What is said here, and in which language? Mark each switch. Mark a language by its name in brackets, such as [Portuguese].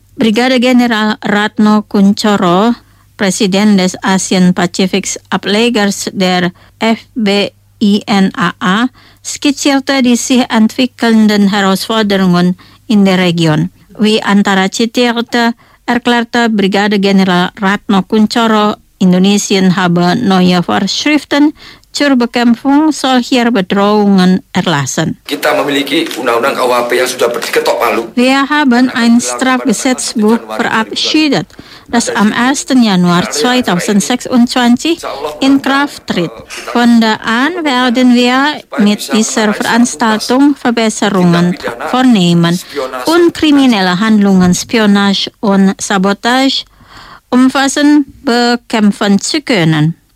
[German] Brigadegeneral Ratno Kunchoro, Präsident des Asien-Pazifik-Ablegers der FBINAA, skizzierte die sich entwickelnden Herausforderungen in der Region. Wie Antara zitierte, erklärte Brigadegeneral Ratno Kunchoro, Indonesien habe neue Vorschriften zur Bekämpfung solcher Bedrohungen erlassen. [Indonesian] Kita memiliki undang-undang KUHP yang sudah diketok palu. [German] Wir haben ein Strafgesetzbuch verabschiedet, das am 1. Januar 2026 in Kraft tritt. Von da an werden wir mit dieser Veranstaltung Verbesserungen vornehmen und kriminelle Handlungen, Spionage und Sabotage umfassend bekämpfen zu können.